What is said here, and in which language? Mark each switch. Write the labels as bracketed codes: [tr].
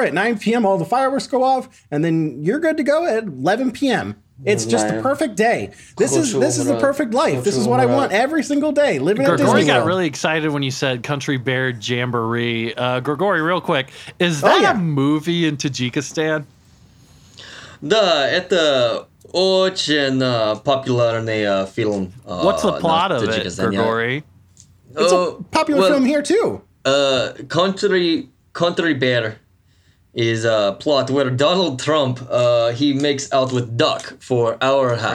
[en] At 9 p.m., all the fireworks go off, and then you're good to go at 11 p.m. It's just the perfect day. This is the perfect life. This is what I want every single day, living at Disney World. Grigori got really excited when you said Country Bear Jamboree. Grigori, real quick, is that a movie in Tajikistan? [ru] Да, это очень популярный фильм. [en] What's the plot of it, Grigori? It's a popular film here, too. Country Bear is a plot where Donald Trump, he makes out with duck for hour and a half.